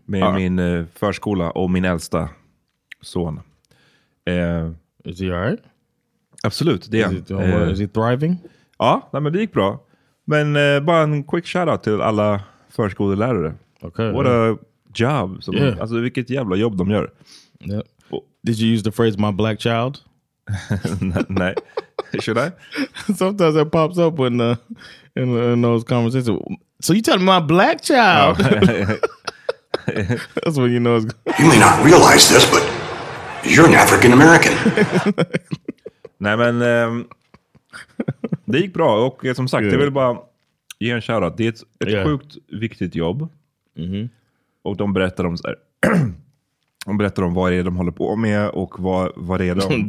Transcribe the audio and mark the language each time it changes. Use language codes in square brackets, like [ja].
[sv] Med min förskola och min äldsta son. [en] Is he alright? [sv] Absolut, det är. [en] Is he thriving? [sv] Ja, nej, men det gick bra. Men bara en [en] quick shout out [sv] till alla förskolelärare. [en] Okay, what a job. [sv] Som alltså vilket jävla jobb de gör. [en] Yeah. Did you use the phrase my black child? [sv] Nej. [en] Should I? Sometimes it pops up when in those conversations. So you tell me my black child. That's when you know it's you may not realize this, but you're an African American. [sv] Nej, men det gick bra och som sagt, jag vill bara ge en shout out. Det är ett sjukt viktigt jobb. Mm-hmm. Och de berättar om så här. De berättar om vad det är de håller på med och vad det är de...